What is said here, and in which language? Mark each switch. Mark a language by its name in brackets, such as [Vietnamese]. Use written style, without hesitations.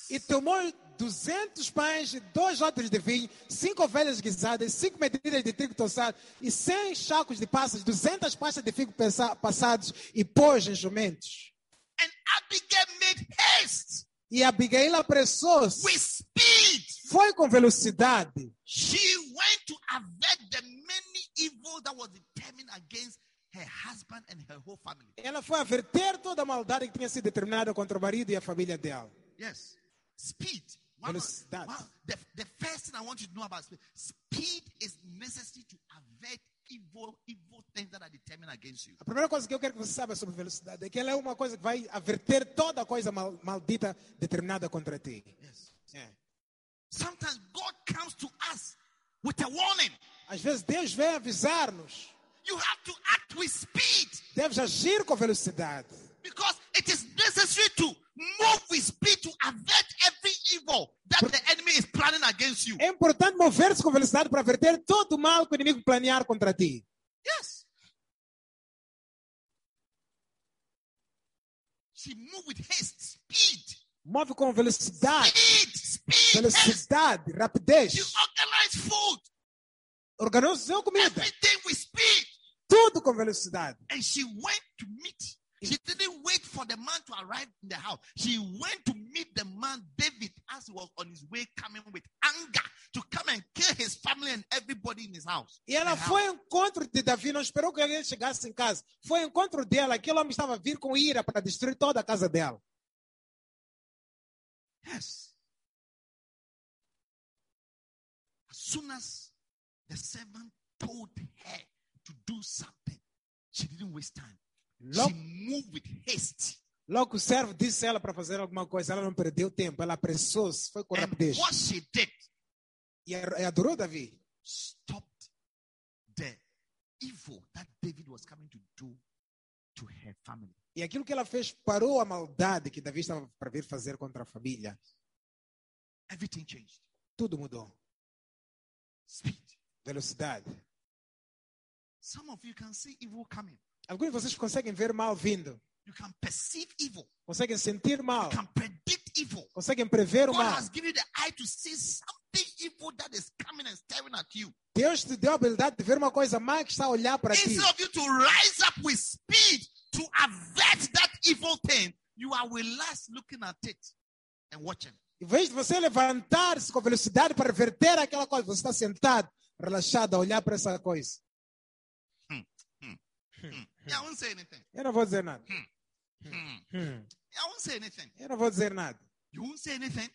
[Portuguese] E tomou 200 pães, 2 odres de vinho, 5 ovelhas guisadas, 5 medidas de trigo tostado e 100 sacos de passas, 200 pastas de figo passados e pôs em jumentos. [English] And Abigail made haste. [Portuguese] E Abigail apressou-se. [English] With speed. [Portuguese] Foi com velocidade. [English] She went to avert the many evil that was determined against her husband and her whole family. [Portuguese] Ela foi averter toda a maldade que tinha sido determinada contra o marido e a família dela. [English] Yes. Speed. [Portuguese] Velocidade. [English] The first thing I want you to know about speed. Speed is necessary to avert evil things that are determined against you. [Portuguese] A primeira coisa que eu quero que você saiba sobre velocidade é que ela é uma coisa que vai averter toda a coisa maldita determinada contra ti. [English] Yes. Yeah. Sometimes God comes to us with a warning. [Portuguese] Às vezes Deus vem avisar-nos. [English] You have to act with speed. [Portuguese] Deves agir com velocidade. [English] Because it is necessary to move with speed to avert every evil that the enemy is planning against you. [Portuguese] É importante mover-se com velocidade para averter todo o mal que o inimigo planear contra ti. [English] Yes. She moved with haste, speed. [Portuguese] Move com velocidade. [English] Speed. [Portuguese] Velocidade, rapidez. [English] You organize food. [Portuguese] Organizou comida. [English] Everything with speed. [Portuguese] Tudo com velocidade. [English] And she went to meet. She didn't wait for the man to arrive in the house. She went to meet the man David as he was on his way coming with anger to come and kill his family and everybody in his house. [Portuguese] E ela foi ao encontro de Davi, não esperou que ele chegasse em casa. Foi ao encontro dela, aquele homem estava a vir com ira para destruir toda a casa dela. [English] Yes. As soon as the servant told her to do something, she didn't waste time. She moved with haste. [Portuguese] Logo o servo disse ela para fazer alguma coisa. Ela não perdeu tempo. Ela apressou-se. Foi com rapidez. [English] What she did? [Portuguese] E adorou Davi. [English] Stopped the evil that David was coming to do to her family. [Portuguese] E aquilo que ela fez parou a maldade que Davi estava para vir fazer contra a família. [English] Everything changed. [Portuguese] Tudo mudou. [English] Speed. [Portuguese] Velocidade. [English] Some of you can see evil coming. [Portuguese] Alguns de vocês conseguem ver mal vindo. [English] You can perceive evil. [Portuguese] Conseguem sentir mal. [English] You can predict evil. [Portuguese] Conseguem prever [English] God [Portuguese] o mal. [English] God has given you the eye to see something evil that is coming and staring at you. [Portuguese] Deus te deu a habilidade de ver uma coisa má que está a olhar para ti. [English] Instead of you to rise up with speed to avert that evil thing, you are relaxed looking at it and watching. [Portuguese] Em vez de você levantar-se com velocidade para reverter aquela coisa, você está sentado, relaxado, a olhar para essa coisa. [English] I won't say anything. [Portuguese] Eu não vou dizer nada. [English] I won't say anything. [Portuguese] Eu não vou dizer nada. [English] You won't say anything.